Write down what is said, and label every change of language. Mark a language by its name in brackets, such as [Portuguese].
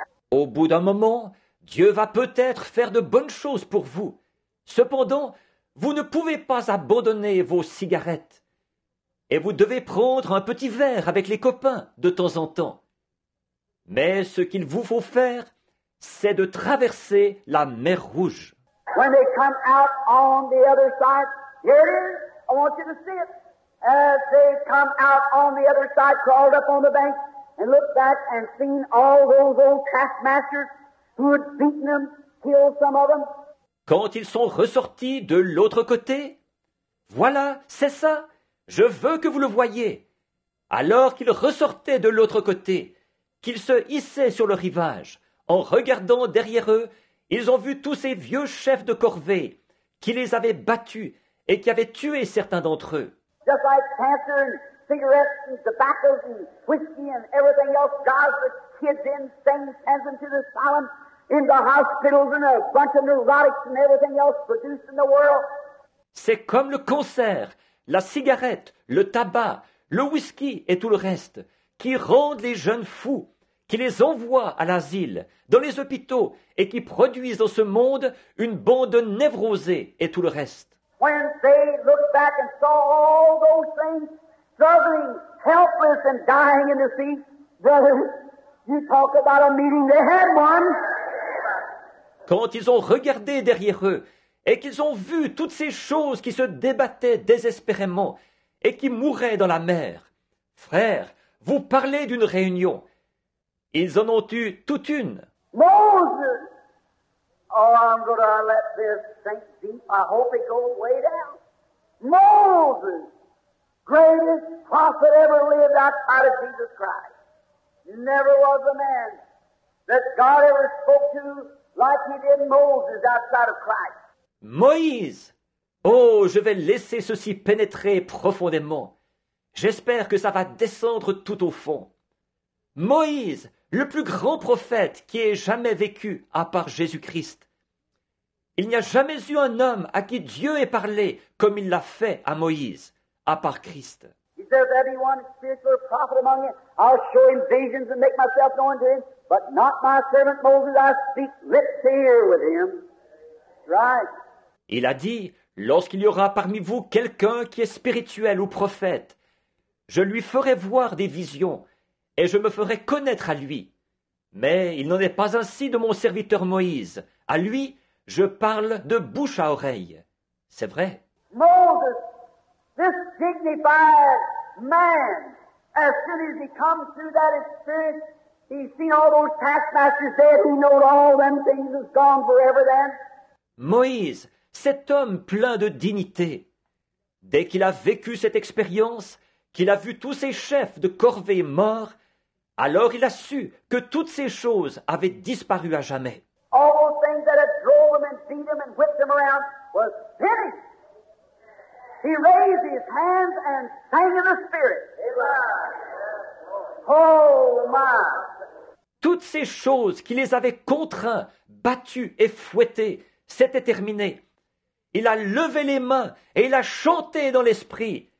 [French] Au bout d'un moment, Dieu va peut-être faire de bonnes choses pour vous. Cependant, vous ne pouvez pas abandonner vos cigarettes. Et vous devez prendre un petit verre avec les copains de temps en temps. Mais ce qu'il vous faut faire, c'est de traverser la mer Rouge. [English] When they come out on the other side, here it is, I want you to see it. As they come out on the other side, crawled up on the bank, and looked back and seen all those old taskmasters who had beaten them, killed some of them. [French] Quand ils sont ressortis de l'autre côté, voilà, c'est ça, je veux que vous le voyez. Alors qu'ils ressortaient de l'autre côté, qu'ils se hissaient sur le rivage, en regardant derrière eux, ils ont vu tous ces vieux chefs de corvée qui les avaient battus et qui avaient tué certains d'entre eux. [English] Just like cancer and cigarettes and tobacco and whiskey and everything else, God's the kids in saying, sends them to the asylum. In the hospitals and a bunch of neurotics and everything else produced in the world. [French] C'est comme le cancer, la cigarette, le tabac, le whisky et tout le reste qui rendent les jeunes fous, qui les envoient à l'asile, dans les hôpitaux et qui produisent dans ce monde une bande névrosée et tout le reste. [English] When they looked back and saw all those things struggling, helpless and dying in the sea, brother, you talk about a meeting, they had one. [French] Quand ils ont regardé derrière eux et qu'ils ont vu toutes ces choses qui se débattaient désespérément et qui mouraient dans la mer. Frères, vous parlez d'une réunion. Ils en ont eu toute une. [English] Moses! Oh, I'm going to let this sink deep. I hope it goes way down. Moses! Greatest prophet ever lived outside of Jesus Christ. Never was a man that God ever spoke to like he did Moses outside of Christ. [French] Moïse! Oh, je vais laisser ceci pénétrer profondément. J'espère que ça va descendre tout au fond. Moïse, le plus grand prophète qui ait jamais vécu à part Jésus-Christ. Il n'y a jamais eu un homme à qui Dieu ait parlé comme il l'a fait à Moïse, à part Christ. [English] If there's anyone spiritual prophet among you, I'll show him visions and make myself known to him. But not my servant Moses, I speak lips to ear with him. Right. [French] Il a dit, lorsqu'il y aura parmi vous quelqu'un qui est spirituel ou prophète, je lui ferai voir des visions et je me ferai connaître à lui. Mais il n'en est pas ainsi de mon serviteur Moïse. À lui, je parle de bouche à oreille. C'est vrai. [English] Moses, this dignified man, as soon as he comes through that experience, he's seen all those taskmasters dead who know all them things is gone forever then. [French] Moïse, cet homme plein de dignité, dès qu'il a vécu cette expérience, qu'il a vu tous ses chefs de corvée morts, alors il a su que toutes ces choses avaient disparu à jamais. [English] All those things that had drove him and beat him and whipped him around was finished. He raised his hands and sang in the spirit. Oh my! [French] Toutes ces choses qui les avaient contraints, battus et fouettés, c'était terminé. Il a levé les mains et il a chanté dans l'esprit.